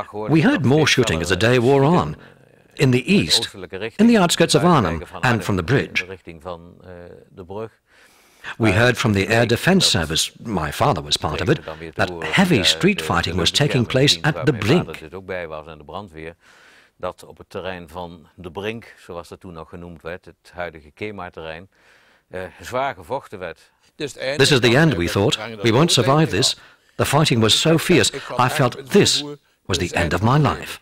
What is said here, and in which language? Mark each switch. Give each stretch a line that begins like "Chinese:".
English: We heard more shooting as the day wore on, in the east, in the outskirts of Arnhem, and from the bridge. We heard from the Air Defense Service, my father was part of it, that heavy street fighting was taking place at the Brink.
Dutch: Dat op het terrein van de Brink, zoals dat toen nog genoemd werd, het huidige Kema-terrein, zwaar gevochten werd.
English: This is the end, we thought. We won't survive this. The fighting was so fierce, I felt this was the end of my life.